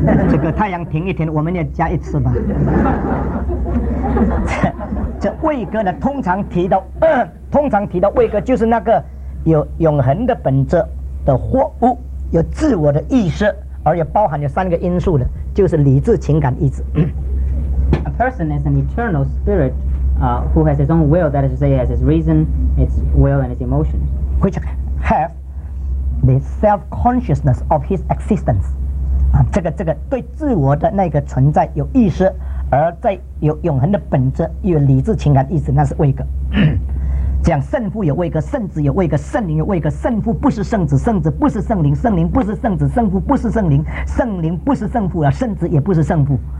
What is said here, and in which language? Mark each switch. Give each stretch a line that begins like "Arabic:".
Chinese: 这个太阳停一停，我们也加一次吧。这位格呢，通常提到，通常提到位格就是那个有永恒的本质的货物，有自我的意识，而且包含有三个因素的，就是理智、情感、意志。
English: A person is an eternal spirit, who has his own will. That is to say, has his reason, its will, and its emotions, which have. The self-consciousness of his existence、
Chinese: 这个对自我的那个存在有意识，而在有永恒的本质，有理智、情感、意识，那是位格。讲圣父有位格，圣子有位格，圣灵有位格。圣父不是圣子，圣子不是圣灵，圣灵不是圣子，圣父不是圣灵，圣灵不是圣父，圣子也不是圣父。